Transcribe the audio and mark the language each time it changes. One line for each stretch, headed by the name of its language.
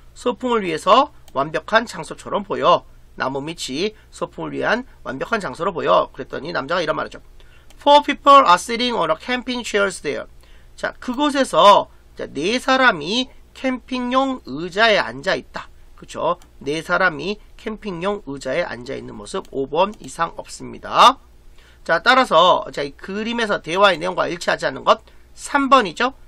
Korean: 소풍을 위해서 완벽한 장소처럼 보여. 나무 밑이 소풍을 위한 완벽한 장소로 보여. 그랬더니 남자가 이런 말하죠.
English: Four people are sitting on a camping chairs there.
Korean: 자, 그곳에서 자, 네 사람이 캠핑용 의자에 앉아 있다. 그쵸? 네 사람이 캠핑용 의자에 앉아 있는 모습 5번 이상 없습니다. 자, 따라서 자, 이 그림에서 대화의 내용과 일치하지 않는 것 3번이죠.